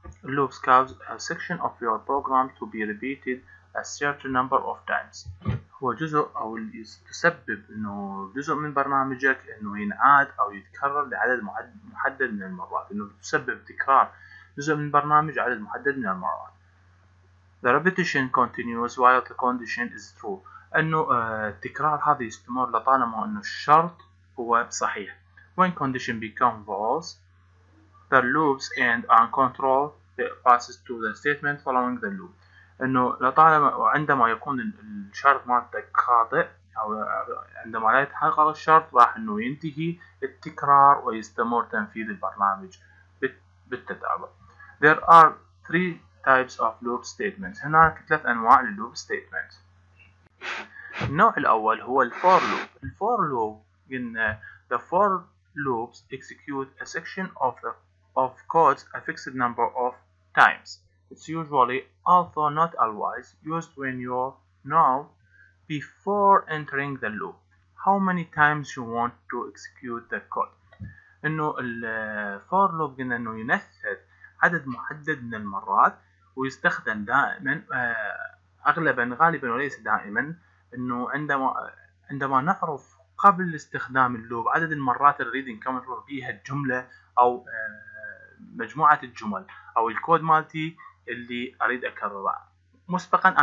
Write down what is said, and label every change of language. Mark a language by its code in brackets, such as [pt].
[en] Loops cause a section of your program to be repeated a certain number of times. [ar] هو جزء أو يسبب إنه جزء من برنامجك إنه ينعاد أو يتكرر لعدد محدد من المرات. إنه تسبب تكرار جزء من برنامج عدد محدد من المرات. [en] The repetition continues while the condition is true. [ar] إنه التكرار هذا يستمر لطالما إنه الشرط هو صحيح. [en] When condition becomes false, the loops end and control passes to the statement following the loop. [ar] إنه لطالما وعندما يكون الشرط مالتك خاطئ أو عندما لا يتحقق الشرط راح إنه ينتهي التكرار ويستمر تنفيذ البرنامج بالتتابع. [en] There are three types of loop statements. [ar] هناك ثلاث أنواع للوب statements. النوع الأول هو الفور لوب. الفور لوب إن [en] the four loops execute a section of the of codes a fixed number of times. It's usually, although not always, used when you know before entering the loop how many times you want to execute the code. [ar] إنه ال for loop قلنا إنه ينفذ عدد محدد من المرات ويستخدم دائما أغلبا غالبا وليس دائما إنه عندما نعرف قبل استخدام اللوب عدد المرات اللي نريد نكرر بها الجملة أو مجموعة الجمل أو الكود مالتي اللي أريد أكرره مسبقا.